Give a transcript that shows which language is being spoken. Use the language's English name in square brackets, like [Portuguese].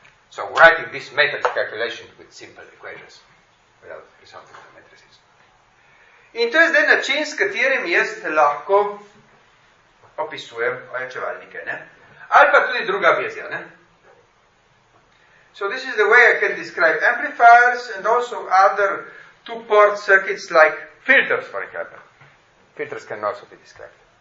[English] So, writing this matrix calculation with simple equations, without resulting to matrices. [Slovenian] In to je zdaj način, s katerim jaz lahko opisujem ojačevalnike, ne? Ali pa tudi druga vizija, ne? [English] So, this is the way I can describe amplifiers and also other two-port circuits like filters, for example. Filters can also be described.